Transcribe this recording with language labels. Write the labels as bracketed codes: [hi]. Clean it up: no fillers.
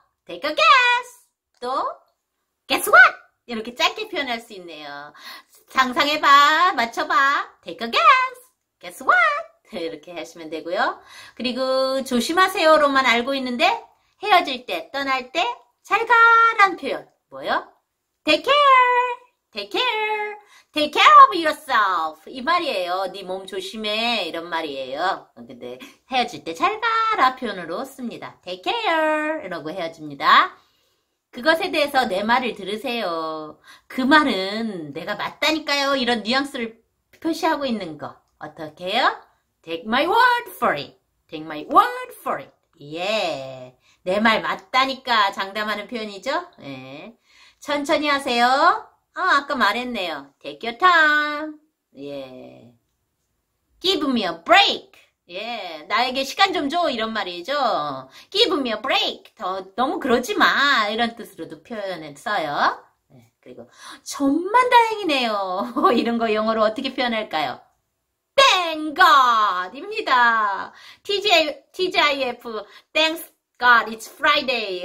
[en] Take a guess! 또, guess what? [ko] 이렇게 짧게 표현할 수 있네요. 상상해 봐. 맞춰 봐. [en] Take a guess! Guess what? [ko] 이렇게 하시면 되고요. 그리고 조심하세요로만 알고 있는데, 헤어질 때, 떠날 때, 잘 가란 표현. 뭐요? [en] Take care, take care, take care of yourself. [ko] 이 말이에요. 네몸 조심해. 이런 말이에요. 근데 헤어질 때잘 가라 표현으로 씁니다. Take care 이러고 헤어집니다. 그것에 대해서 내 말을 들으세요. 그 말은 내가 맞다니까요. 이런 뉘앙스를 표시하고 있는 거. 어떻게요? [en] Take my word for it. Take my word for it. 예. [ko] 내말 맞다니까 장담하는 표현이죠? 예. 천천히 하세요. 아까 말했네요. [en] Take your time. 예. Give me a break. 예. [ko] 나에게 시간 좀 줘. 이런 말이죠. [en] Give me a break. [ko] 너무 그러지 마. 이런 뜻으로도 표현을 써요. 예. 그리고, 천만 다행이네요. 이런 거 영어로 어떻게 표현할까요? [en] Thank God! 입니다. TGIF, Thanks God, it's Friday.